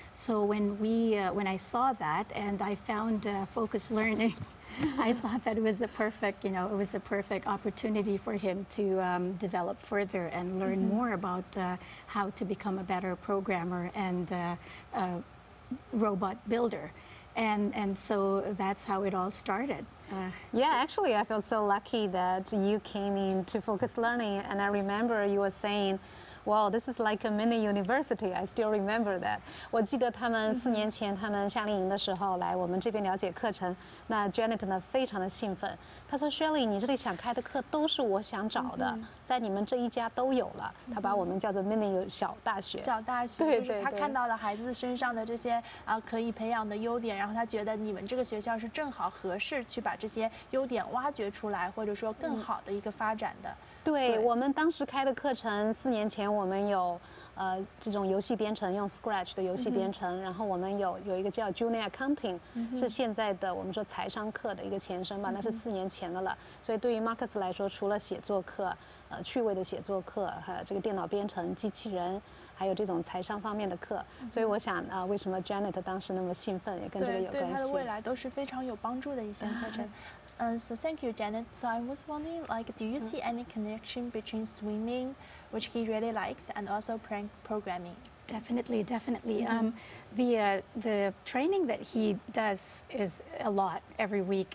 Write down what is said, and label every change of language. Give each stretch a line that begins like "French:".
English: So when we, when I saw that and I found Focus Learning, I thought that it was the perfect, you know, it was a perfect opportunity for him to develop further and learn more about how to become a better programmer and a robot builder. And so that's how it all started. Yeah, actually, I feel so lucky that you came in to Focus Learning. And I remember you were saying, well, this is like a mini university. I still remember that.
Chinese: 我记得他们四年前他们夏令营的时候来我们这边了解课程，那 Janet 呢非常的兴奋，她说 Shelly， 你这里想开的课都是我想找的，在你们这一家都有了。她把我们叫做 mini 小大学。小大学，对对对。她看到了孩子身上的这些啊可以培养的优点，然后她觉得你们这个学校是正好合适去把这些优点挖掘出来，或者说更好的一个发展的。对，我们当时开的课程四年前我们有这种游戏编程，用 Scratch 的游戏编程，然后我们有一个叫 Junior Accounting， 是现在的我们说财商课的一个前身吧，那是四年前的了。所以对于 Marcus 来说，除了写作课趣味的写作课和这个电脑编程机器人还有这种财商方面的课，所以我想啊，为什么 Janet 当时那么兴奋也跟这个有关系。对，他的未来都是非常有帮助的一些课程。
English: So thank you, Janet. So I was wondering, like, do you see any connection between swimming, which he really likes, and also programming? Definitely, definitely. The training that he does is a lot every week.